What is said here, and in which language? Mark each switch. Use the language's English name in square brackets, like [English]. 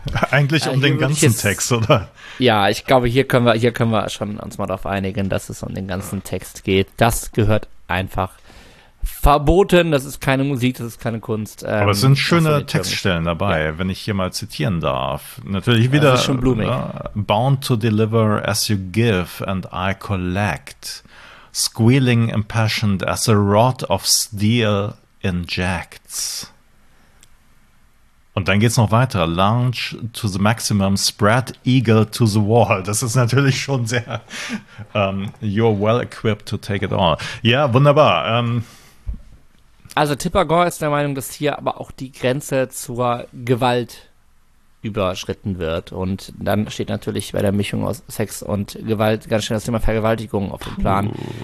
[German] Eigentlich um den ganzen Text, oder? Ja, ich glaube, hier können wir schon uns mal darauf einigen, dass es um den ganzen Text geht. Das gehört einfach verboten. Das ist keine Musik, das ist keine Kunst. Aber es sind schöne Textstellen dabei, ja. Wenn ich hier mal zitieren darf. Natürlich wieder, das ist schon blumig. Ne? [English] Bound to deliver as you give and I collect. Squealing impassioned as a rod of steel injects. [German] Und dann geht's noch weiter. [English] Launch to the maximum, spread eagle to the wall. [German] Das ist natürlich schon sehr, [English] you're well equipped to take it all. [German] Ja, wunderbar. Also Tipper Gore ist der Meinung, dass hier aber auch die Grenze zur Gewalt überschritten wird. Und dann steht natürlich bei der Mischung aus Sex und Gewalt ganz schön das Thema Vergewaltigung auf dem Plan. Puh.